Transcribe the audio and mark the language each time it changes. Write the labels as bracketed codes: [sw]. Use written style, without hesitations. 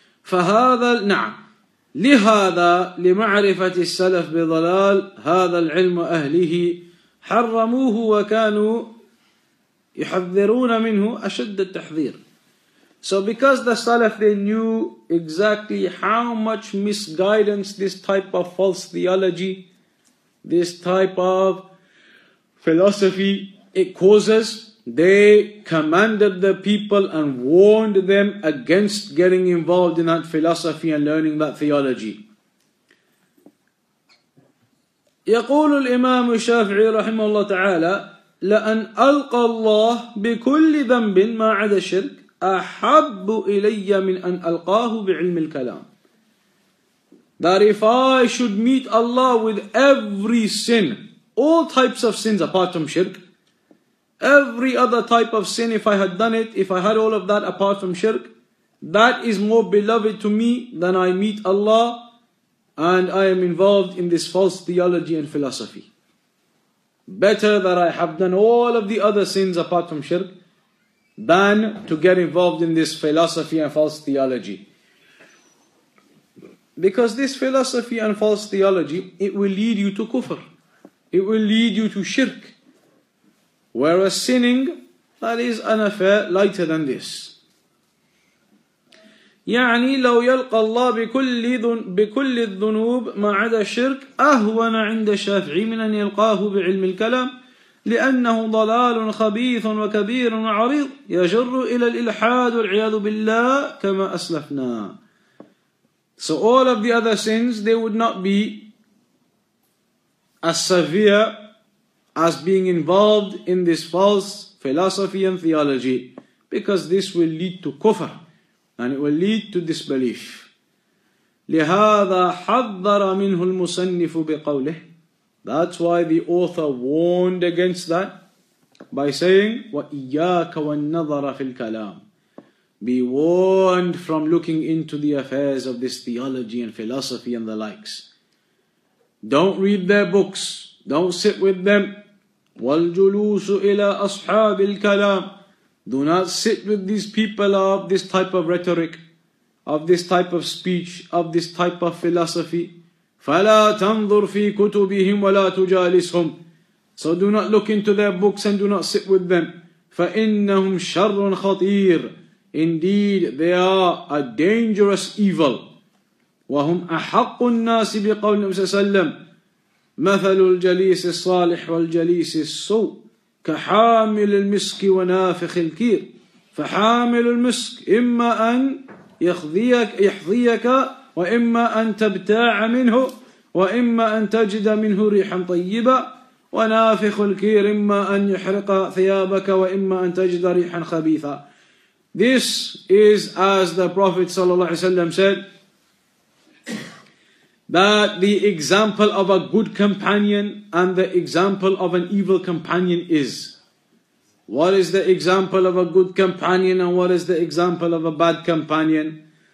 [ar] فهذا نعم لهذا لمعرفة السلف بضلال هذا العلم أهله حرموه وكانوا يحذرون منه أشد التحذير. [en] So because the Salaf, they knew exactly how much misguidance this type of false theology, this type of philosophy, it causes, they commanded the people and warned them against getting involved in that philosophy and learning that theology. [ar] يقول الإمام الشافعي رحمه الله تعالى لأن ألقى الله بكل ذنب ما عدا الشرك أحب إلي من أن ألقاه بعلم الكلام. [en] That if I should meet Allah with every sin, all types of sins apart from shirk, every other type of sin, if I had done it, if I had all of that apart from shirk, that is more beloved to me than I meet Allah and I am involved in this false theology and philosophy. Better that I have done all of the other sins apart from shirk than to get involved in this philosophy and false theology. Because this philosophy and false theology, it will lead you to kufr. It will lead you to shirk. Whereas sinning, that is an affair lighter than this. [ar] يعني لو يلقى الله بكل الذنوب ما عدا الشرك أهون عند الشافعي من أن يلقاه بعلم الكلام لأنه ضلال خبيث وكبير وعريض يجر إلى الإلحاد والعياذ بالله كما أسلفنا. [en] So all of the other sins, they would not be as severe as being involved in this false philosophy and theology, because this will lead to kufr and it will lead to disbelief. [ar] لهذا حذر منه المصنف بقوله. [en] That's why the author warned against that by saying [ar] وإياك والنظر في الكلام. [en] Be warned from looking into the affairs of this theology and philosophy and the likes. Don't read their books. Don't sit with them. [ar] والجلوس إلى أصحاب الكلام. [en] Do not sit with these people of this type of rhetoric, of this type of speech, of this type of philosophy. [ar] فلا تنظر في كتبهم ولا تجالسهم. [en] So do not look into their books and do not sit with them. [ar] فإنهم شر خطير. [en] Indeed, they are a dangerous evil. [ar] وهم أحق الناس بقول النبي صلى الله عليه وسلم. مثل الجليس الصالح والجليس السوء كحامل المسك ونافخ الكير. فحامل المسك إما أن يحظيك وإما أن تبتاع منه وإما أن تجد منه ريحا طيبة. ونافخ الكير إما أن يحرق ثيابك وإما أن تجد ريحا خبيثة. [en] This is as the Prophet [ar] صلى الله عليه وسلم [en] said, that the example of a good companion and the example of an evil companion is. What is the example of a good companion and what is the example of a bad companion?